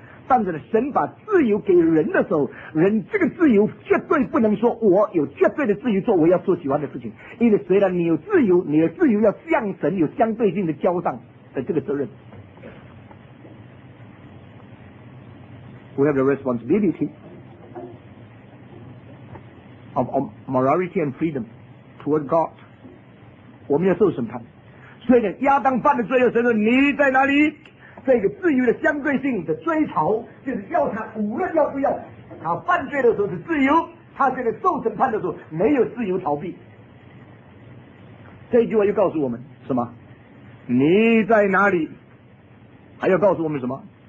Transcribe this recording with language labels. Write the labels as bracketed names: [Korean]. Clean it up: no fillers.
[Chinese] 但是神把自由给人的时候，人这个自由绝对不能说我有绝对的自由做我要做喜欢的事情，因为虽然你有自由，你的自由要向神有相对性的交上的这个责任。 [English] We have the responsibility of morality and freedom toward God。 [Chinese] 我们要受审判。虽然亚当犯的罪恶，神说你在哪里？这个自由的相对性的追讨，就是要他无论要不要，他犯罪的时候是自由，他这个受审判的时候没有自由逃避。这一句话又告诉我们什么？你在哪里？还要告诉我们什么？